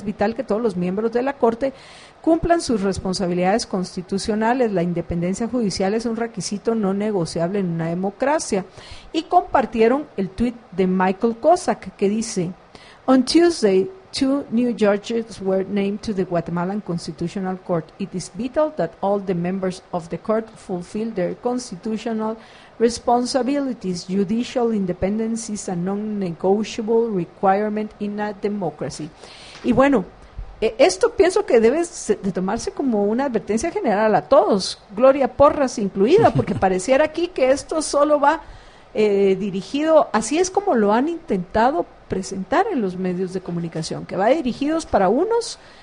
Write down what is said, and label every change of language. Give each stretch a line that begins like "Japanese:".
Spanish: Es vital que todos los miembros de la Corte cumplan sus responsabilidades constitucionales. La independencia judicial es un requisito no negociable en una democracia. Y compartieron el tweet de Michael Kozak, que dice:
English: on Tuesday, two new judges were named to the Guatemalan Constitutional Court. It is vital that all the members of the court fulfill their constitutional responsibilities. Judicial independence is a non-negotiable requirement in a democracy.
Spanish: Y bueno, Esto pienso que debe de tomarse como una advertencia general a todos, Gloria Porras incluida, porque pareciera aquí que esto solo va dirigido, así es como lo han intentado presentar en los medios de comunicación, que va dirigidos para unos,